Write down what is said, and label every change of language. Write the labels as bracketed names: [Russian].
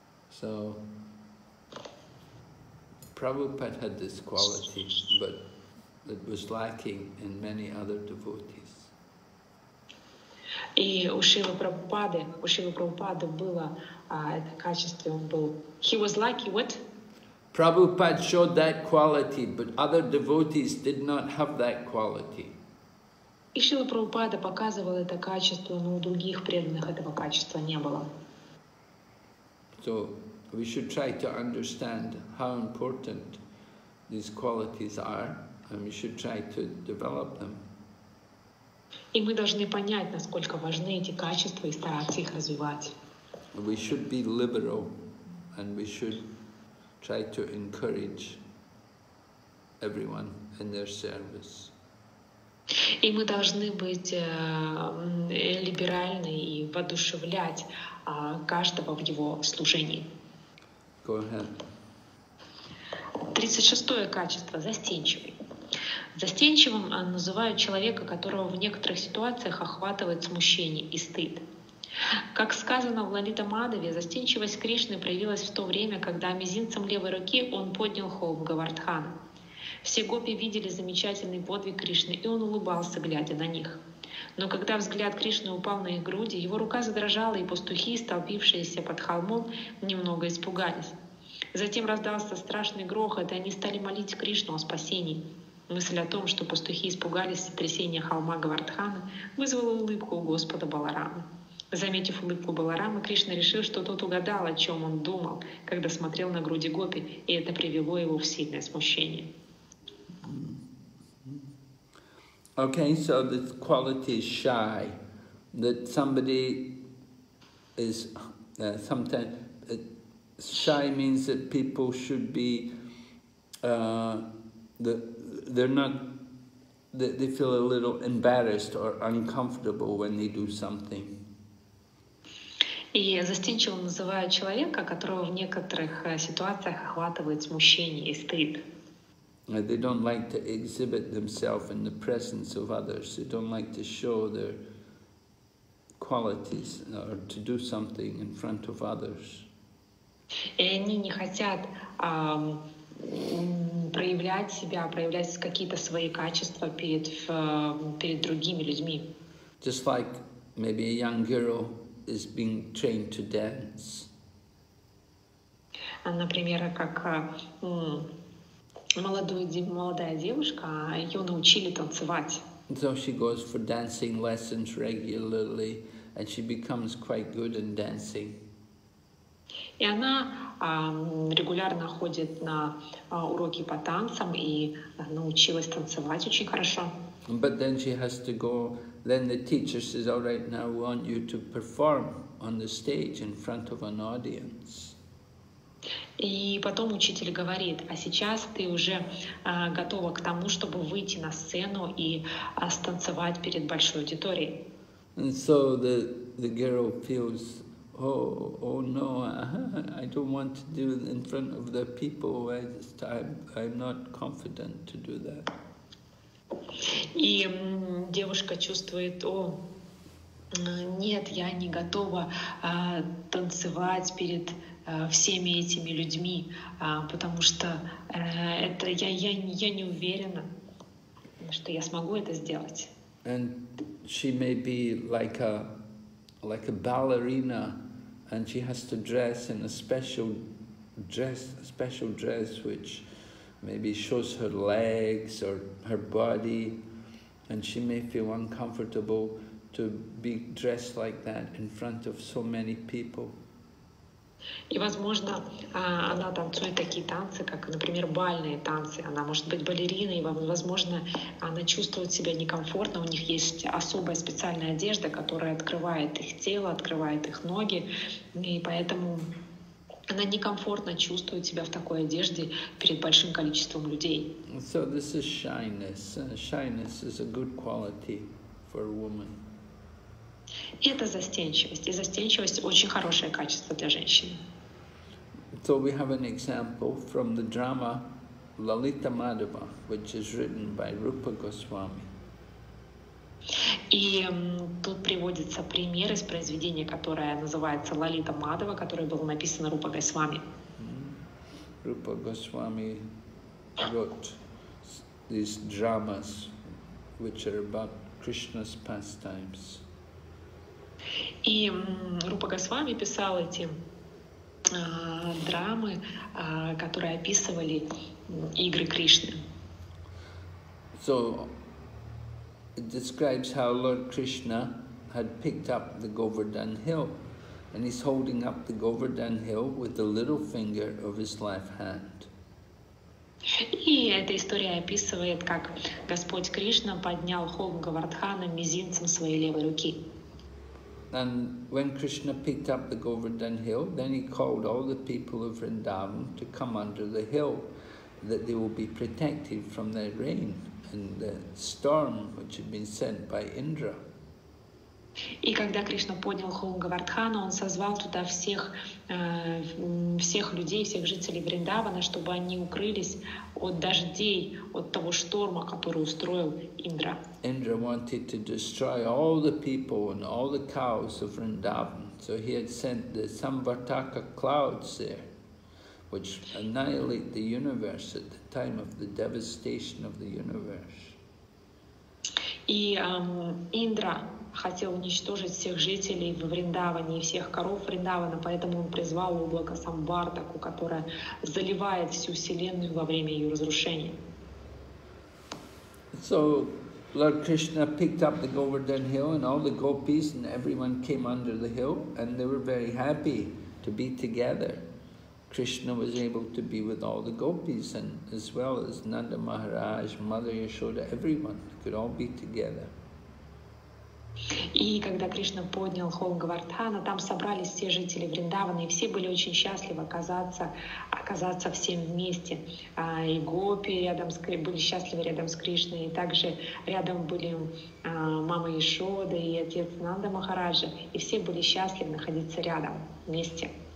[English] So, Prabhupada had this quality, but it was lacking in many other devotees. [Russian] И у Шрилы Прабхупады было это качество, он был... [English] He was lucky, what? Prabhupada showed that quality, but other devotees did not have that quality. [Russian] И Шрила Прабхупада показывал это качество, но у других преданных этого качества не было. [English] So we should try to understand how important these qualities are, and we should try to develop them. [Russian] И мы должны понять, насколько важны эти качества и стараться их развивать. [English] We should be liberal, and we should try to encourage everyone in their service. [Russian] И мы должны быть либеральны и воодушевлять каждого в его служении. 36-е качество – застенчивый. Застенчивым называют человека, которого в некоторых ситуациях охватывает смущение и стыд. Как сказано в Лалита Мадаве, застенчивость Кришны проявилась в то время, когда мизинцем левой руки он поднял холм Говардхана. Все гопи видели замечательный подвиг Кришны, и он улыбался, глядя на них. Но когда взгляд Кришны упал на их груди, его рука задрожала, и пастухи, столпившиеся под холмом, немного испугались. Затем раздался страшный грохот, и они стали молить Кришну о спасении. Мысль о том, что пастухи испугались сотрясения холма Говардхана, вызвала улыбку у Господа Баларамы. Заметив улыбку Баларамы, Кришна решил, что тот угадал, о чем он думал, когда смотрел на груди гопи, и это привело его в сильное смущение. [English] Okay, so the quality is shy, that somebody is sometimes, shy means that people should be, they feel a little embarrassed or uncomfortable when they do something. [Russian] И застенчиво называют человека, которого в некоторых ситуациях охватывает смущение и стыд. [English] They don't like to exhibit themselves in the presence of others. They don't like to show their qualities or to do something in front of others. [Russian] И они не хотят проявлять себя, проявлять какие-то свои качества перед другими людьми. [English] Just like maybe a young girl is being trained to dance. [Russian] Например, как молодая девушка, ее научили танцевать. [English] So she goes for dancing lessons regularly, and she becomes quite good in dancing. [Russian] И она регулярно ходит на уроки по танцам и научилась танцевать очень хорошо. [English] But then she has to go. Then the teacher says, "All right, now we want you to perform on the stage in front of an audience." [Russian] И потом учитель говорит, а сейчас ты уже готова к тому, чтобы выйти на сцену и станцевать перед большой аудиторией. [English] And so the girl feels, Oh no, I don't want to do it in front of the people. I'm not confident to do that. И девушка чувствует, о, нет, я не готова танцевать перед всеми этими людьми, потому что это я не уверена, что я смогу это сделать. And she may be like a ballerina, and she has to dress in a special dress which maybe shows her legs or her body, and she may feel uncomfortable to be dressed like that in front of so many people. [Russian] И возможно, она танцует такие танцы, как, например, бальные танцы. Она может быть балериной, и, возможно, она чувствует себя некомфортно. У них есть особая специальная одежда, которая открывает их тело, открывает их ноги, и поэтому она некомфортно чувствует себя в такой одежде перед большим количеством людей. [English] So this is shyness. Shyness is a good quality for a woman. [Russian] И это застенчивость. И застенчивость — очень хорошее качество для женщины. [English] So we have an example from the drama Lalita Madhava, which is written by Rupa Goswami. [Russian] И тут приводится пример из произведения, которое называется Лалита Мадхава, которое было написано Рупа Госвами. [English] Rupa Goswami wrote these dramas, which are about Krishna's pastimes. [Russian] И Рупа Госвами писал эти драмы, которые описывали игры Кришны. [English] So it describes how Lord Krishna had picked up the Govardhan hill, and he's holding up the Govardhan hill with the little finger of his left hand. [Russian] И эта история описывает, как Господь Кришна поднял холм Говардхана мизинцем своей левой руки. [English] And when Krishna picked up the Govardhan hill, then he called all the people of Vrindavan to come under the hill, that they will be protected from the rain and the storm which had been sent by Indra. [Russian] И когда Кришна поднял холм Говардхана, он созвал туда всех людей, всех жителей Вриндавана, чтобы они укрылись от дождей, от того шторма, который устроил Индра. [English] Indra wanted to destroy all the people and all the cows of Vrindavan. So he had sent the Samvartaka clouds there, which annihilate the universe at the time of the devastation of the universe. [Russian] И Индра хотел уничтожить всех жителей в Вриндаване и всех коров Вриндавана, поэтому он призвал облако Самбартаку, которое заливает всю Вселенную во время ее разрушения. [English] So Lord Krishna picked up the Govardhan hill, and all the gopis and everyone came under the hill, and they were very happy to be together. Krishna was able to be with all the gopis, and as well as Nanda Maharaj, Mother Yashoda, everyone could all be together. [Russian] И когда Кришна поднял холм Говардхана, там собрались все жители Вриндавана, и все были очень счастливы оказаться всем вместе. И гопи рядом были счастливы рядом с Кришной, и также рядом были мама Ишода и отец Нанда Махараджа, и все были счастливы находиться рядом вместе.